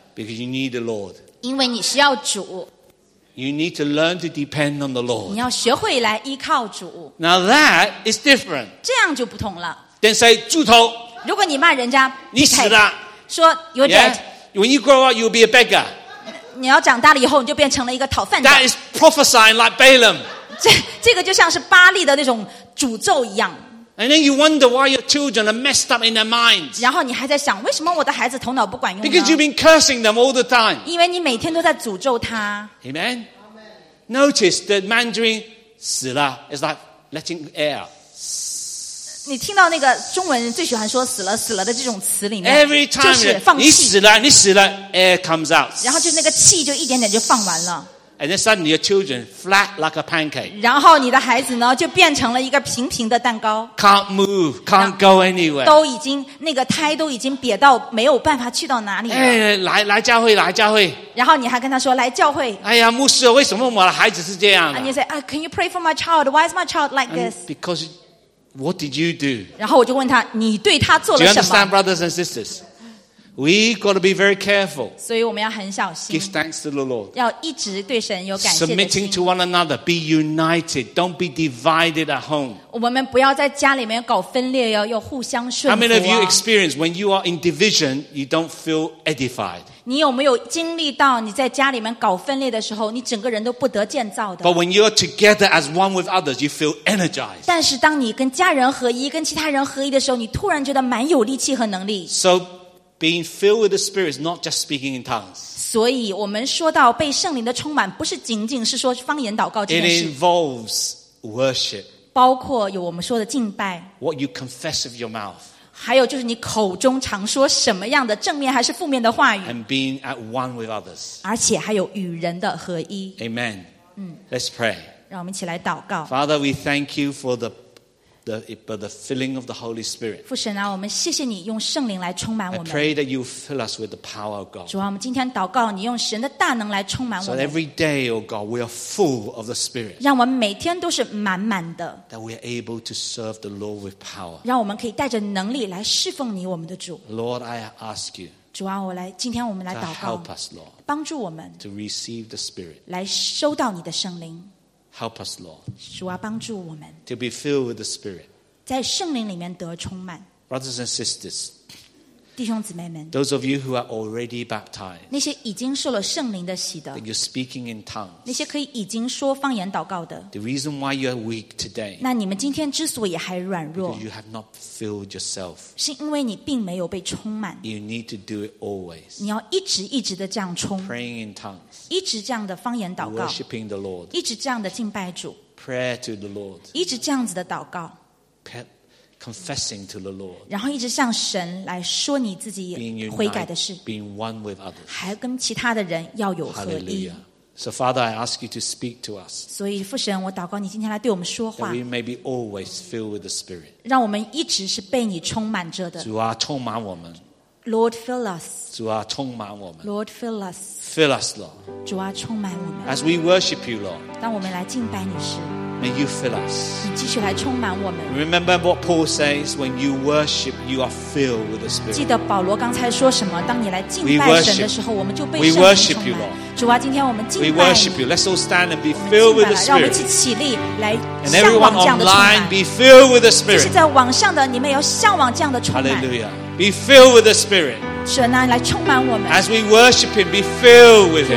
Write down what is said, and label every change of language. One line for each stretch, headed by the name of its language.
English: Because you need the Lord.
Chinese: 因为你需要主。
English: You need to learn to depend on the Lord.
Chinese: 你要学会来依靠主。
English: Now that is different.
Chinese: 这样就不同了。
English: Then say,
Chinese: 猪头。如果你骂人家，你死了。说
English: you're dead. When you grow up, you'll be a beggar.
Chinese: 你要长大了以后，你就变成了一个讨饭的。
English: That is prophesying like Balaam.
Chinese: 这个就像是巴利的那种诅咒一样。
English: And then you wonder why your children are messed up in their minds.
Chinese: 然后你还在想为什么我的孩子头脑不管用呢
English: Because you've been cursing them all the time.
Chinese: 因为你每天都在诅咒他。
English: Amen? Amen. Notice the Mandarin
Chinese: 死了
English: is like letting air.
Chinese: 你听到那个中文最喜欢说死了死了的这种词里面
English: Every time
Chinese: 就是放气。你死了
English: air comes out.
Chinese: 然后就那个气就一点点就放完了。
English: And then suddenly your children flat like a pancake.
Chinese: 然后你的孩子呢就变成了一个平平的蛋糕。
English: Can't move, can't go anywhere.
Chinese: 都已经那个胎都已经瘪到没有办法去到哪里了。哎，来教会，来教会。然后你还跟他说来教会。哎呀，牧师，为什么我的孩子是这样的
English: ？And you say, Can you pray for my child? Why is my child like this? Because what did you do?
Chinese: 然后我就问他，你对他做了什么
English: ？Do you understand, brothers and sisters? We got to be very careful.
Chinese: 所以我们要很小心。
English: Give thanks to the Lord.
Chinese: 要一直对神有感谢的心。
English: Submitting to one another, be united. Don't be divided at home.
Chinese: 我们不要在家里面搞分裂哟，要互相顺服。
English: How many of you experience when you are in division, you don't feel edified?
Chinese: 你有没有经历到你在家里面搞分裂的时候，你整个人都不得建造的
English: ？But when you are together as one with others, you feel energized.
Chinese: 但是当你跟家人合一，跟其他人合一的时候，你突然觉得蛮有力气和能力。
English: So. Being filled with the Spirit is not just speaking in tongues.
Chinese: 所以我们说到被圣灵的充满不是仅仅是说方言祷告这件事。
English: It involves worship.
Chinese: 包括有我们说的敬拜。
English: What you confess of your mouth.
Chinese: 还有就是你口中常说什么样的正面还是负面的话语。
English: And being at one with others.
Chinese: 而且还有与人的合一。
English: Amen. Let's pray.
Chinese: 让我们一起来祷告。
English: Father, we thank you for the filling of the Holy Spirit.
Chinese: 父神啊，我们谢谢你用圣灵来充满我们。
English: I pray that you fill us with the power of God.
Chinese: 主啊，我们今天祷告你用神的大能来充满我们。
English: So every day, O God, we are full of the Spirit.
Chinese: 让我们每天都是满满的。
English: That we are able to serve the Lord with power.
Chinese: 让我们可以带着能力来侍奉你，我们的主。
English: Lord, I ask you.
Chinese: 主啊，今天我们来祷告。
English: To help us, Lord.
Chinese: 帮助我们。
English: To receive the Spirit.
Chinese: 来收到你的圣灵。
English: Help us, Lord.
Chinese: 主啊，帮助我们。
English: To be filled with the Spirit.
Chinese: 在圣灵里面得充满。
English: Brothers and sisters.
Chinese: 弟兄姊妹们。
English: Those of you who are already baptized.
Chinese: 那些已经受了圣灵的洗的。
English: That you're speaking in tongues.
Chinese: 那些可以已经说方言祷告的。
English: The reason why you are weak today.
Chinese: 那你们今天之所以还软弱。
English: Because you have not filled yourself.
Chinese: 是因为你并没有被充满。
English: You need to do it always.
Chinese: 你要一直一直的这样充。
English: Praying in tongues.
Chinese: 一直这样的方言祷告。
English: Worshipping the Lord.
Chinese: 一直这样的敬拜主。
English: prayer to the Lord.
Chinese: 一直这样子的祷告。
English: Confessing to the Lord.
Chinese: 然后一直向神来说你自己悔改的事。
English: Being one with others.
Chinese: 还跟其他的人要有合一。
English: So Father, I ask you to speak to us.
Chinese: 所以父神，我祷告你今天来对我们说话。
English: That we may be always filled with the Spirit.
Chinese: 让我们一直是被你充满着的。主啊，充满我们。
English: Lord, fill us.
Chinese: 主啊，充满我们。
English: Lord, fill us. Fill us, Lord.
Chinese: 主啊，充满我们。
English: As we worship you, Lord.
Chinese: 当我们来敬拜你时。
English: May you fill us.
Chinese: 你继续来充满我们。
English: Remember what Paul says, when you worship, you are filled with the Spirit.
Chinese: 记得保罗刚才说什么，当你来敬拜神的时候，我们就被圣灵充满。
English: We worship you, Lord.
Chinese: 主啊，今天我们敬拜你。
English: We worship you. Let's all stand and be filled with the Spirit.
Chinese: 让我们一起起立来向往这样的充满。
English: And everyone online, be filled with the Spirit.
Chinese: 就是在网上的，你们要向往这样的充满。
English: Hallelujah. Be filled with the Spirit.
Chinese: 神啊，来充满我们。
English: As we worship Him, be filled with Him.